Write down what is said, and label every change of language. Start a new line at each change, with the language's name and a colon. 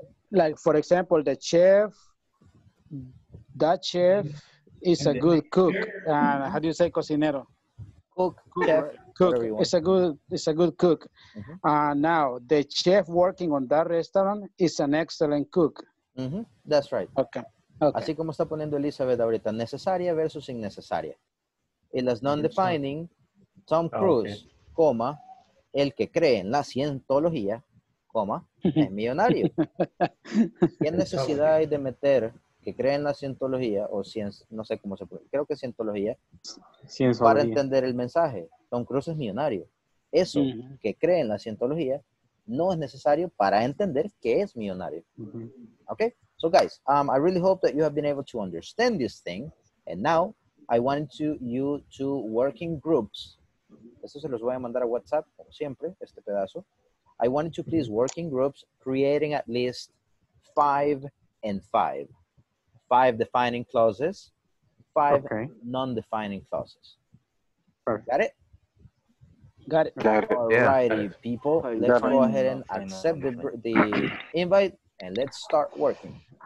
English: Like, for example, the chef, that chef is a good cook. How do you say cocinero? Cook, chef. Cook, it's a good cook. Mm-hmm. Now, the chef working on that restaurant is an excellent cook. Mm-hmm. That's right. Okay.
Spanish: Así como está poniendo Elizabeth ahorita, necesaria versus innecesaria. In las non-defining, Tom Cruise, coma, el que cree en la cientología, coma, es millonario. ¿Qué necesidad hay de meter que cree en la cientología o ciencia, no sé cómo se puede, creo que cientología, para entender el mensaje? Tom Cruise es millonario. Eso que cree en la cientología no es necesario para entender que es millonario.
English: Mm-hmm. Okay? So guys, I really hope that you have been able to understand this thing. And now, I want you to work in groups.
Spanish: Esto se los voy a mandar a WhatsApp, como siempre, este pedazo.
English: I want you to please work in groups, creating at least 5 and 5. 5 defining clauses, 5 non-defining clauses. Perfect. Got it? Got it. Alrighty, yeah. People. Let's go ahead and accept the invite and let's start working.